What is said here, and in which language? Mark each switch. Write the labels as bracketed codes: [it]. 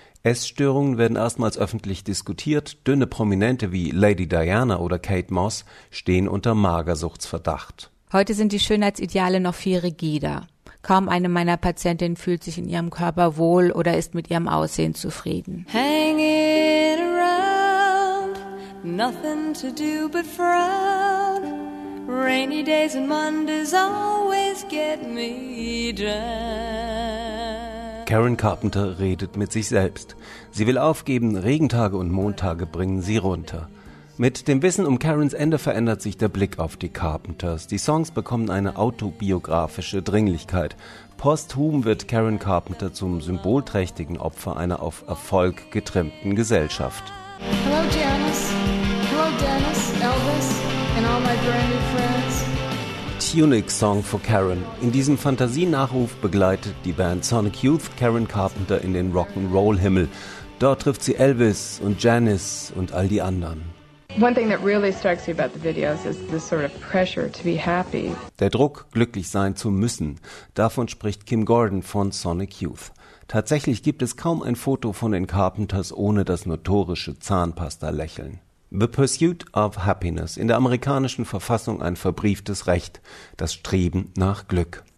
[de] Essstörungen werden erstmals öffentlich diskutiert. Dünne Prominente wie Lady Diana oder Kate Moss stehen unter Magersuchtsverdacht. Heute sind die Schönheitsideale noch viel rigider. Kaum eine meiner Patientinnen fühlt sich in ihrem Körper wohl oder ist mit ihrem Aussehen zufrieden. [en] Hanging around, nothing to do but frown. Rainy days and Mondays always get me down. [de] Karen Carpenter redet mit sich selbst. Sie will aufgeben, Regentage und Montage bringen sie runter. Mit dem Wissen um Karens Ende verändert sich der Blick auf die Carpenters. Die Songs bekommen eine autobiografische Dringlichkeit. Posthum wird Karen Carpenter zum symbolträchtigen Opfer einer auf Erfolg getrimmten Gesellschaft. [en] Hello Janice, hello Dennis, Elvis and all my brand new friends. [de] Tunic Song for Karen. In diesem Fantasienachruf begleitet die Band Sonic Youth Karen Carpenter in den Rock'n'Roll-Himmel. Dort trifft sie Elvis und Janice und all die anderen. [en] One thing that really strikes me about the videos is the sort of pressure to be happy. [de] Der Druck, glücklich sein zu müssen. Davon spricht Kim Gordon von Sonic Youth. Tatsächlich gibt es kaum ein Foto von den Carpenters ohne das notorische Zahnpasta-Lächeln. [en] The Pursuit of Happiness, [de] in der amerikanischen Verfassung ein verbrieftes Recht, das Streben nach Glück.